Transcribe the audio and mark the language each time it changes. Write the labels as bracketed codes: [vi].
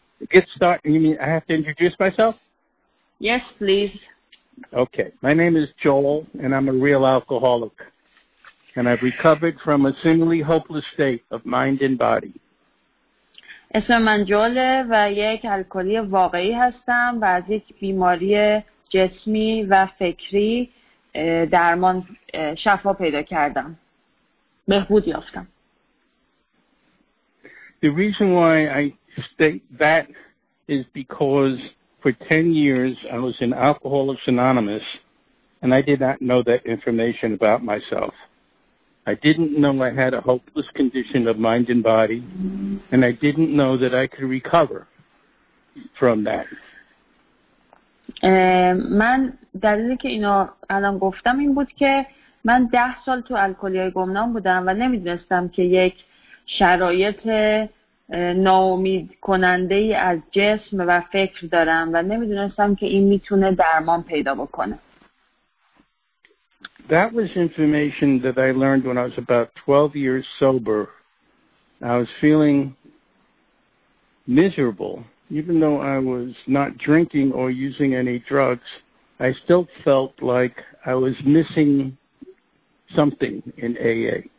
[en] Get started, you mean I have to introduce myself? Yes, please. Okay, my name is Joel, and I'm a real alcoholic. And I've recovered from a seemingly hopeless state of mind and body. [fa] اسم من جوله و یک الکلی واقعی هستم و از یک بیماری جسمی و فکری درمان شفا پیدا کردم. بهبود یافتم. [en] The reason why I state that is because for 10 years I was in Alcoholics Anonymous and I did not know that information about myself. I didn't know I had a hopeless condition of mind and body, and I didn't know that I could recover from that. [fa] من دلیلی که اینو الان گفتم این بود که من 10 سال تو الکلی‌های گمنام بودم و نمی‌دونستم که یک شرایط ناامید کننده ای از جسم و فکر دارم و نمی‌دونستم که این می‌تونه درمان پیدا بکنه. [en] That was information that I learned when I was about 12 years sober. I was feeling miserable. Even though I was not drinking or using any drugs, I still felt like I was missing something in AA.